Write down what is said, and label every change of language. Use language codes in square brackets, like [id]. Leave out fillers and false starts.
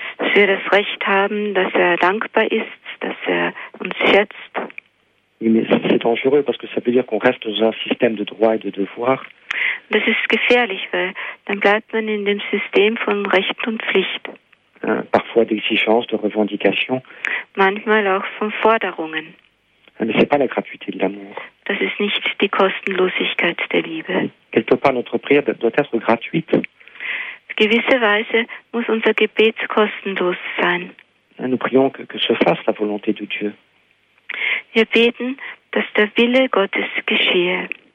[de] Dass wir das Recht haben, dass er dankbar ist, dass er uns schätzt. [fr] Oui, mais c'est dangereux parce que ça veut dire qu'on reste dans un système de droits et de devoirs. [de] Das ist gefährlich, weil dann bleibt man in dem System von Recht und Pflicht. [fr] Parfois d'exigence, de revendication. [de] Manchmal auch von Forderungen. [fr] Mais c'est pas la gratuité de l'amour. [de] Das ist nicht die Kostenlosigkeit der Liebe. [fr] Quelque part, notre prière doit être gratuite. [de] Gewisserweise muss unser Gebet kostenlos sein. [fr] Nous prions que se fasse la volonté de Dieu. [de] Wir beten, dass der Wille Gottes geschehe.